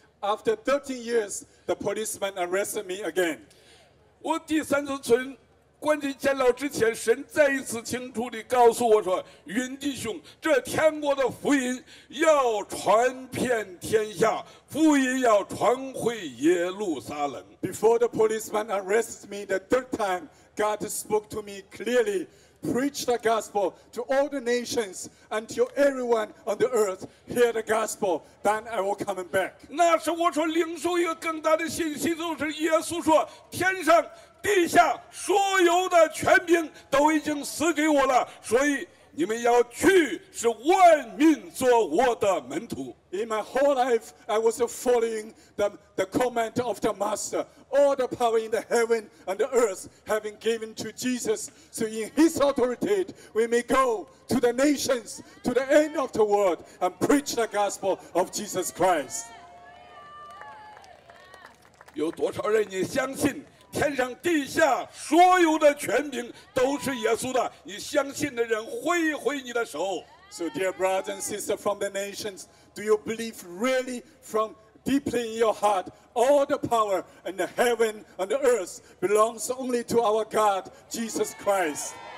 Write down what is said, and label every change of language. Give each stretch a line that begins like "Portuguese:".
English: After 13 years, the policeman arrested me again.
Chinese: 我第三次从关进监牢之前，神再一次清楚地告诉我说：“云弟兄，这天国的福音要传遍天下，福音要传回耶路撒冷。”
English: Before the policeman arrested me the third time, God spoke to me clearly, preach the gospel to all the nations until everyone on the earth hear the gospel, then I will come back.
Chinese: 那时我说领受一个更大的信息，就是耶稣说：“天上。” 地下所有的权柄都已经赐给我了，所以你们要去，是万民做我的门徒。
English: In my whole life, I was following the command of the master. all the power in the heaven and the earth have been given to Jesus. So in his authority, we may go to the nations, to the end of the world, and preach the gospel of Jesus Christ. 有多少人你相信天上地下所有的权柄都是耶稣的？你相信的人挥一挥你的手。 So dear brothers and sisters from the nations, do you believe really from deeply in your heart all the power in the heaven and the earth belongs only to our God, Jesus Christ?